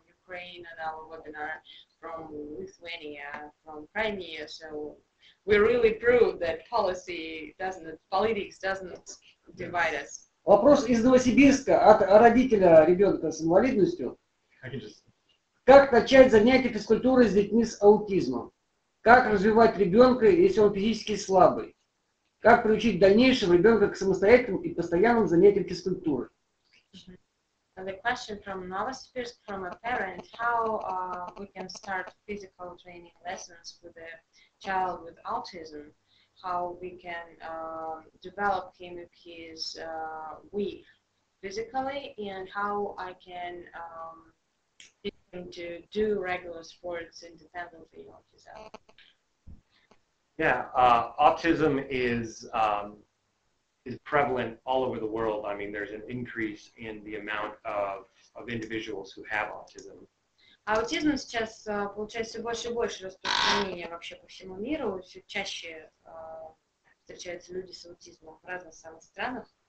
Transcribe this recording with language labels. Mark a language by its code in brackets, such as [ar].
[en] Ukraine and our webinar from Lithuania, from Crimea, so we really prove that policy doesn't, politics doesn't divide us. [ru] Вопрос из Новосибирска от родителя ребенка с инвалидностью. Как начать занятия физкультурой с детьми с аутизмом? Как развивать ребенка, если он физически слабый? Как приучить в дальнейшем ребенка к самостоятельным и постоянным занятиям физкультурой? [en] The question from Novosibirsk, from a parent, how we can start physical training lessons with a child with autism, how we can develop him if he's weak physically, and how I can get him to do regular sports independently of his own. Yeah, autism is prevalent all over the world. I mean, there's an increase in the amount of individuals who have autism. [ru] Аутизм сейчас получается больше и больше распространение вообще по всему миру. Все чаще встречаются люди с аутизмом в разных самых странах.